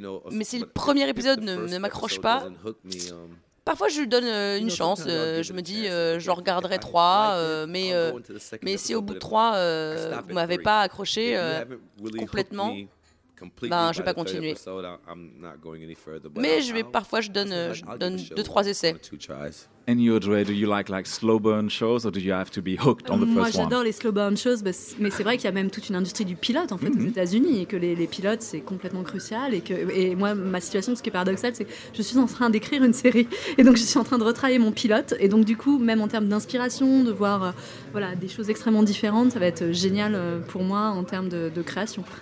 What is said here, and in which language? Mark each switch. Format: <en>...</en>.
<fr>Mais si le premier épisode ne m'accroche pas, parfois je lui donne une chance, je me dis j'en regarderai 3, mais si au bout de 3 vous ne m'avez pas accroché complètement, ben, je ne vais pas continuer. Mais je donne 2-3 essais.</fr> <en>And you, Audrey, do you like slow burn shows or do you have to be hooked on the first one?</en> <fr>Moi, j'adore les slow burn shows, mais c'est vrai qu'il y a même toute une industrie du pilote en fait aux États-Unis et que les pilotes c'est complètement crucial et moi ma situation, ce qui est paradoxal, c'est que je suis en train d'écrire une série et donc je suis en train de retravailler mon pilote et donc du coup même en termes d'inspiration, de voir des choses extrêmement différentes, ça va être génial pour moi en termes de création.</fr>